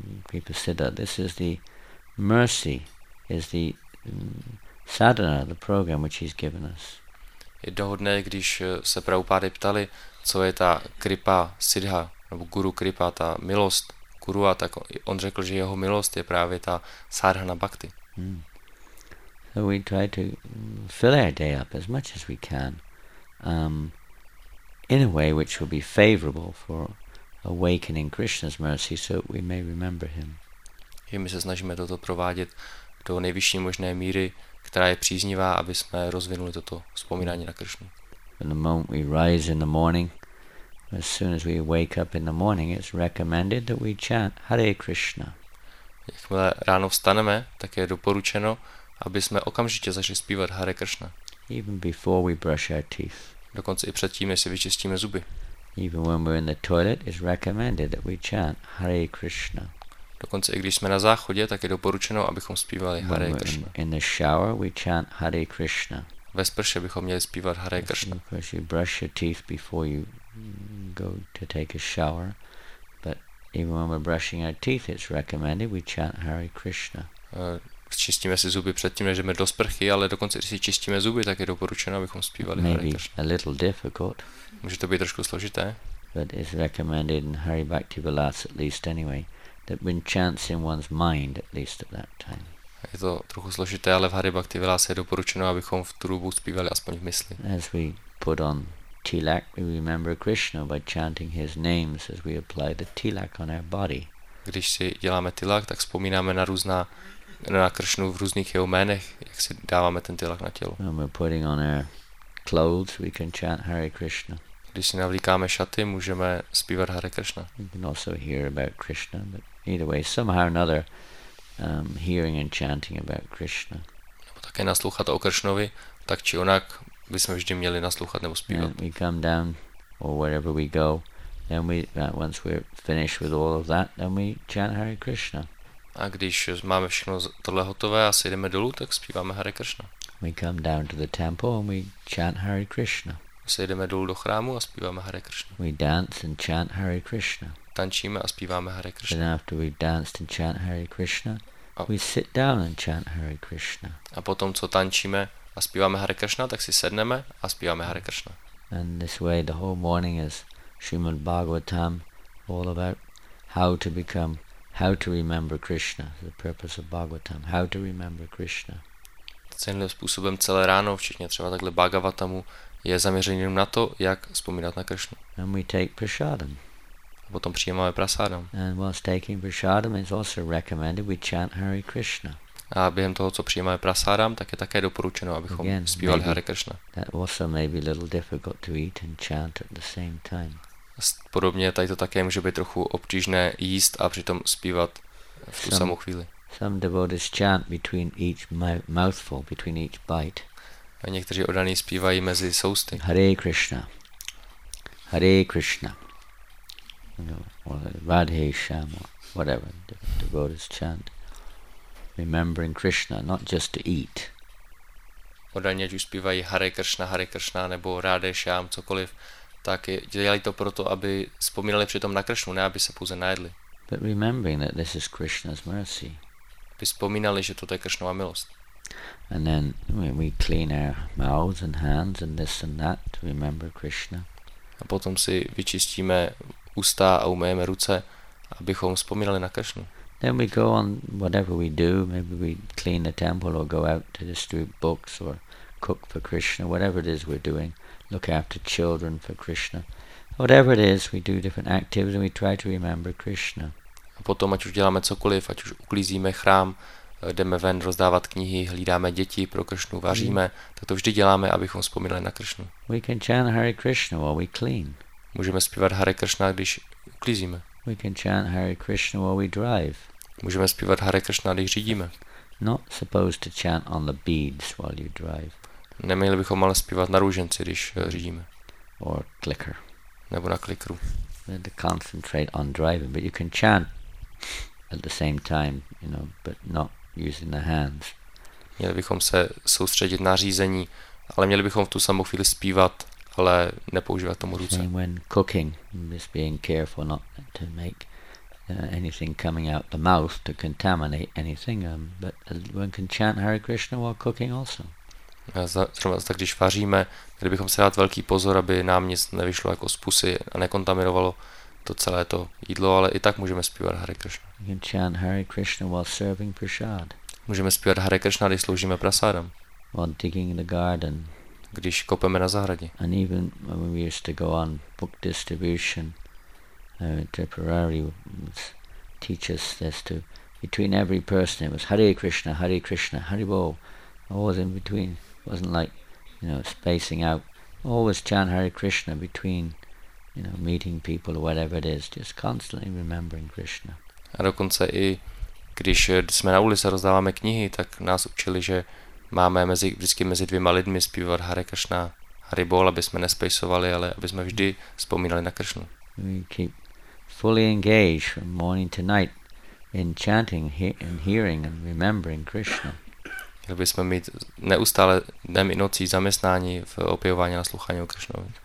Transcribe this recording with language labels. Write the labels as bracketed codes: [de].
[en] People said that this is the mercy, is the sadhana, the program which he's given us. [cs] Jednoho dne, když se Prabhupády ptali, co je ta kripa siddha, nebo guru kripa, ta milost guru, a tak on řekl, že jeho milost je právě ta sadhana bhakti. [en] So we try to fill our day up as much as we can, in a way which will be favorable for awakening Krishna's mercy, so we may remember him. [cs] My se snažíme toto provádět do nejvyšší možné míry, která je příznivá, aby jsme rozvinuli toto vzpomínání na Krishnu. [en] When the moment we rise in the morning, as soon as we wake up in the morning, it's recommended that we chant Hare Krishna. [cs] Jakmile ráno vstaneme, tak je doporučeno, aby jsme okamžitě začali zpívat Hare Krishna. [en] Even before we brush our teeth. [cs] Dokonce i předtím, než si vyčistíme zuby. [en] Even when we're in the toilet, it's recommended that we chant Hare Krishna. [cs] Dokonce i když jsme na záchodě, tak je doporučeno, abychom zpívali Hare Krishna. [en] In the shower, we chant Hare Krishna. [cs] Ve sprše bychom měli zpívat Hare Krishna. [en] Of course, you brush your teeth before you go to take a shower, but even when we're brushing our teeth, it's recommended we chant Hare Krishna. [cs] Čistíme si zuby předtím, než jdeme do sprchy, ale dokonce, když si čistíme zuby, tak je doporučeno, abychom zpívali [en] Maybe [cs] Hare Krishna. [en] A little difficult. [cs] Může to být trošku složité. [en] But it's recommended in Hari Bhakti Vilas at least anyway, that when chants in one's mind at least at that time. [cs] Je to trochu složité, ale v Hari Bhakti Vilas je doporučeno, abychom v tu dobu zpívali aspoň v mysli. [en] As we put on tilak, we remember Krishna by chanting his names as we apply the tilak on our body. [cs] Když si děláme tilak, tak vzpomínáme na různá na Krishnu v různých jeho jménech, jak si dáváme ten tilak na tělo. [en] When we're putting on our clothes, we can chant Hare Krishna. [cs] Když si navlíkáme šaty, můžeme zpívat Hare Krishna. [en] We can also hear about Krishna, but either way, somehow or another, hearing and chanting about Krishna. [cs] Nebo také naslouchat o Krishnovi, tak či onak bychom vždy měli naslouchat nebo zpívat. [en] We come down or wherever we go, then we once we're finished with all of that, then we chant Hare Krishna. [cs] A když máme všechno tohle hotové a sejdeme dolů, tak zpíváme Hare Krishna. [en] We come down to the temple and we chant Hare Krishna. [cs] Sejdeme dolů do chrámu a zpíváme Hare Krishna. [en] We dance and chant Hare Krishna. [cs] Tančíme a zpíváme Hare Krishna. [en] Then after we danced and chant Hare Krishna, we sit down and chant Hare Krishna. [cs] A potom co tančíme a zpíváme Hare Krishna, tak si sedneme a zpíváme Hare Krishna. [en] And this way the whole morning is Srimad Bhagavatam, all about how to become, how to remember Krishna, the purpose of Bhagavatam, how to remember Krishna. [cs] Celým způsobem celé ráno, včetně třeba takhle Bhagavatamu, je zaměřený na to, jak vzpomínat na Krishnu. [en] And we take prasadam. [cs] A potom přijímáme prasadam. [en] And whilst taking prasadam, it's also recommended we chant Hare Krishna. [cs] A během toho, co přijímáme prasadam, tak je také doporučeno, abychom [en] Again, [cs] zpívali [en] maybe, [cs] Hare Krishna. [en] That also may be a little difficult to eat and chant at the same time. [cs] Podobně tady to také může být trochu obtížné jíst a přitom zpívat v tu samou chvíli. [en] Some devotees chant between each mouthful, between each bite. [cs] A někteří oddaní zpívají mezi sousty. [en] Hare Krishna. Hare Krishna. You know, or Radhe Shyam, whatever. The devotees chant. Remembering Krishna, not just to eat. [cs] Oddaní ať už zpívají Hare Krishna, Hare Krishna, nebo Radhe Shyam, cokoliv. Tak dělají to proto, aby vzpomínali přitom na Krishnu, ne aby se pouze najedli. [en] But remembering that this is Krishna's mercy. [cs] Aby vzpomínali, že to je Krishnova milost. [en] And then we clean our mouths and hands and this and that to remember Krishna. [cs] A potom si vyčistíme ústa a umyjeme ruce, abychom vzpomínali na Krishnu. [en] Then we go on whatever we do, maybe we clean the temple or go out to distribute books or cook for Krishna, whatever it is we're doing, look after children for Krishna. Whatever it is, we do different activities and we try to remember Krishna. [cs] A potom ať už děláme cokoliv, ať už uklízíme chrám, jdeme ven rozdávat knihy, hlídáme děti pro Krishnu, vaříme, tak to vždy děláme, abychom vzpomínali na Krishnu. [en] We can chant Hare Krishna while we clean. [cs] Můžeme zpívat Hare Krishna, když uklízíme. [en] We can chant Hare Krishna while we drive. [cs] Můžeme zpívat Hare Krishna, když řídíme. [en] Not supposed to chant on the beads while you drive. [cs] Neměli bychom ale zpívat na růženci, když řídíme. [en] Or clicker. [cs] Nebo na klikru. [en] We have to concentrate on driving, but you can chant at the same time, you know, but not using the hands. [cs] Měli bychom se soustředit na řízení, ale měli bychom v tu samou chvíli zpívat, ale nepoužívat tomu ruce. [en] Same when cooking, just being careful not to make anything coming out the mouth to contaminate anything, but one can chant Hare Krishna while cooking also. [cs] Tak když vaříme, měli bychom se dát velký pozor, aby nám nic nevyšlo jako z pusy a nekontaminovalo to celé to jídlo, ale i tak můžeme zpívat Hare Krishna. [en] You can chant Hare Krishna while serving prasad. [cs] Můžeme zpívat Hare Krishna, když sloužíme prasádam. [en] While digging the garden. [cs] Když kopeme na zahradě. [en] And even when we used to go on book distribution, Tipperary teach us this to between every person it was Hare Krishna, Hare Krishna, Hare Bol. Always in between. It wasn't like, you know, spacing out. Always chant Hare Krishna between, you know, meeting people or whatever it is, just constantly remembering Krishna. [cs] A dokonce i když jsme na ulici rozdáváme knihy, tak nás učili, že máme vždycky mezi dvěma lidmi zpívat Hare Krishna, Hare Bol, aby jsme nespacovali, ale aby jsme vždy vzpomínali na Krishnu. [en] We keep fully engaged from morning to night in chanting and hearing and remembering Krishna. [cs] Měli bychom mít neustále dnem i nocí zaměstnání v opěvování a sluchání o Krishnovi.